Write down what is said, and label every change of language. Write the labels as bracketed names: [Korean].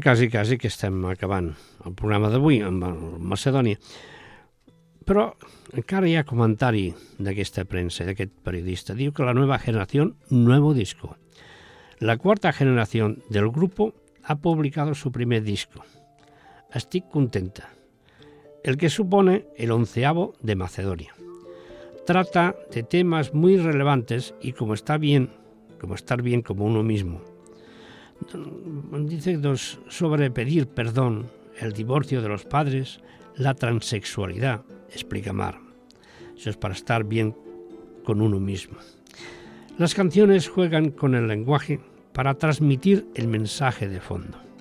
[Catalan] Quasi que estem acabant el programa d'avui amb Macedònia. Però encara hi ha comentari d'aquesta premsa, d'aquest periodista. Diu que la nova generació, [Spanish] nuevo disco. [Catalan] La quarta generació [Spanish] del grupo ha publicado su primer disco. [Catalan] Estic contenta. [Spanish] El que supone el onceavo de Macedònia. Trata de temas muy relevantes y como está bien, como estar bien como uno mismo. Dice dos sobre pedir perdón, el divorcio de los padres, la transexualidad, explica Mar. Eso es para estar bien con uno mismo. Las canciones juegan con el lenguaje para transmitir el mensaje de fondo.